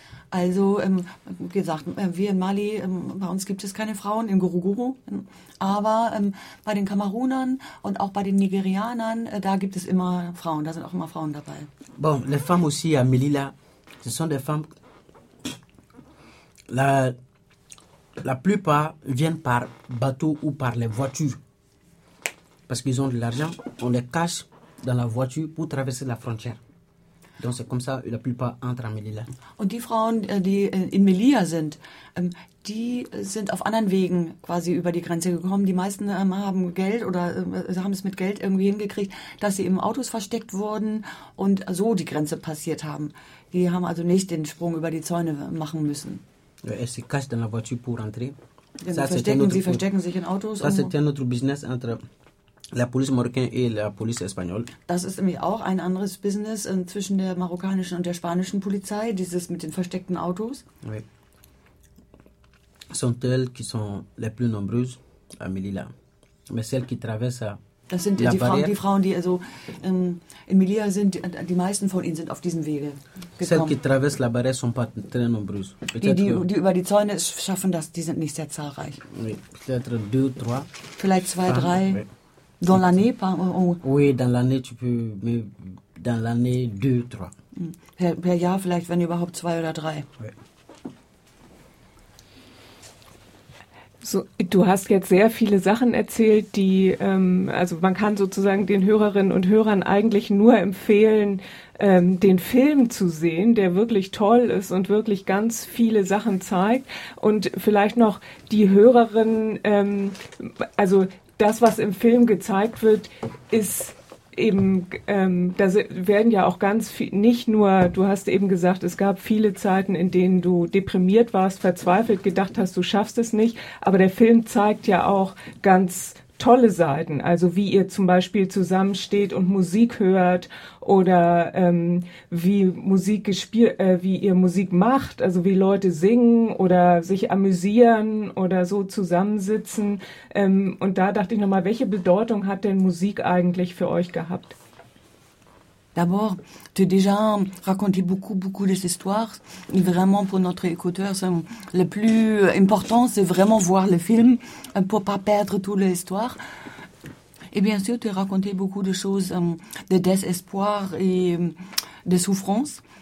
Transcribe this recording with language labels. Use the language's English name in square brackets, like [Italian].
[German] Also, wie gesagt, wir in Mali, bei uns gibt es keine Frauen, in Guruguru, aber bei den Kamerunern und auch bei den Nigerianern, da gibt es immer Frauen, da sind auch immer Frauen dabei. [French] Bon, les femmes aussi à Melilla, ce sont des femmes, la plupart viennent par bateau ou par les voitures, parce qu'ils ont de l'argent, on les cache dans la voiture pour traverser la frontière. Donc c'est comme ça, la plupart entrent à Melilla. [German] Und die Frauen, die in Melilla sind, die sind auf anderen Wegen quasi über die Grenze gekommen. Die meisten haben Geld oder haben es mit Geld irgendwie hingekriegt, dass sie im Autos versteckt wurden und so die Grenze passiert haben. Die haben also nicht den Sprung über die Zäune machen müssen. [French] Elles se cachent dans la voiture pour rentrer. [German] Sie verstecken sich in Autos. [French] Ça c'était un autre business entre la police marocaine et la police espagnole. [German] Das ist nämlich auch ein anderes Business zwischen der marokkanischen und der spanischen Polizei, dieses mit den versteckten Autos. [French] Oui. Sont elles qui sont les plus nombreuses à Melilla. Mais celles qui traversent [German] das sind die, Frauen, die also in Melilla sind, die meisten von ihnen sind auf diesem Wege gekommen. [French] Celles qui traversent la barrière sont pas très nombreuses. [German] Die über die Zäune schaffen das, die sind nicht sehr zahlreich. [French] Oui. Peut-être deux, trois. [German] Vielleicht zwei, drei. Oui. [French] Dans l'année, Oui, dans l'année, tu peux, mais dans l'année, deux, trois. [German] Per Jahr vielleicht, wenn überhaupt zwei oder drei. [French] Oui. [German] So, du hast jetzt sehr viele Sachen erzählt, die, also man kann sozusagen den Hörerinnen und Hörern eigentlich nur empfehlen, den Film zu sehen, der wirklich toll ist und wirklich ganz viele Sachen zeigt. Und vielleicht noch die Hörerinnen, also das, was im Film gezeigt wird, ist eben, da werden ja auch ganz viel, nicht nur, du hast eben gesagt, es gab viele Zeiten, in denen du deprimiert warst, verzweifelt, gedacht hast, du schaffst es nicht, aber der Film zeigt ja auch ganz tolle Seiten, also wie ihr zum Beispiel zusammensteht und Musik hört oder wie Musik gespielt, wie ihr Musik macht, also wie Leute singen oder sich amüsieren oder so zusammensitzen. Und da dachte ich nochmal, welche Bedeutung hat denn Musik eigentlich für euch gehabt? [French] D'abord, tu as déjà raconté beaucoup, beaucoup des histoires. Et vraiment, pour notre écouteur, c'est le plus important, c'est vraiment voir le film pour pas perdre toute l'histoire. Et bien sûr, tu as raconté beaucoup de choses de désespoir et de souffrance.